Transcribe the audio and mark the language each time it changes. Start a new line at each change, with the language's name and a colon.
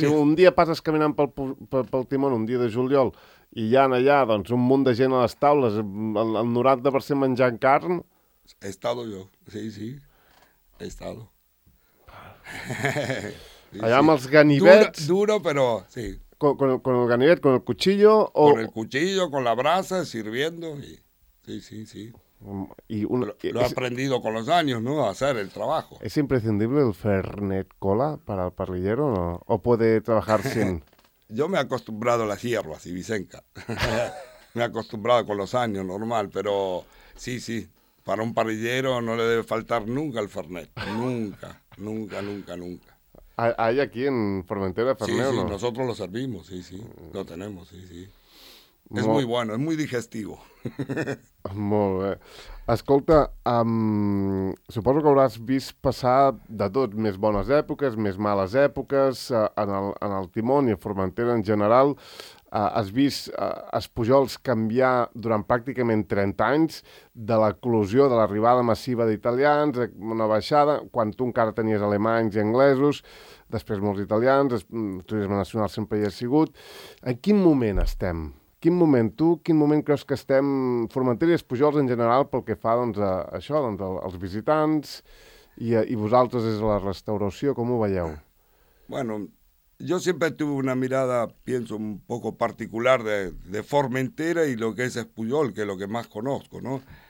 Catalan: Si un dia passes caminant pel timón, un dia de juliol, i hi ha allà doncs, un munt de gent a les taules, el 90% menjant carn...
Spanish: He estado yo, sí, sí. He estado.
Catalan: Sí, allà amb els ganivets...
Spanish: Duro, pero sí. Con el ganivet, con el cuchillo... O... Con el cuchillo, con la brasa, sirviendo. Y... Sí, sí, sí. Lo he aprendido con los años, ¿no? A hacer el trabajo. ¿Es imprescindible el Fernet Cola para el parrillero no? ¿O puede trabajar sin...? Yo me he acostumbrado a las hierbas y Vicenca. Me he acostumbrado con los años, normal, pero sí, sí. Para un parrillero no le debe faltar nunca el Fernet. Nunca, nunca, nunca, nunca. ¿Hay aquí en Formentera Fernet sí, o no? Sí, sí, nosotros lo servimos, sí, sí. Lo tenemos, sí, sí.
Catalan: És molt bueno, és molt digestiu. Molt bé. Escolta, suposo que hauràs vist passar de tot, més bones èpoques, més males èpoques, en el Timón i a Formentera en general. Has vist els Pujols canviar durant pràcticament 30 anys de l'eclosió de l'arribada massiva d'italians, una baixada, quan tu encara tenies alemanys i anglesos, després molts italians, el turisme nacional sempre hi ha sigut. En quin moment estem? Quin moment tu, quin moment creus que estem, Formentera i els Pujols en general, pel que fa doncs, a això, doncs, als visitants i vosaltres des de la restauració, com ho veieu?
Spanish: Bueno, yo siempre tuve una mirada, pienso, un poco particular de Formentera y lo que es Pujol, que es lo que más conozco, ¿no?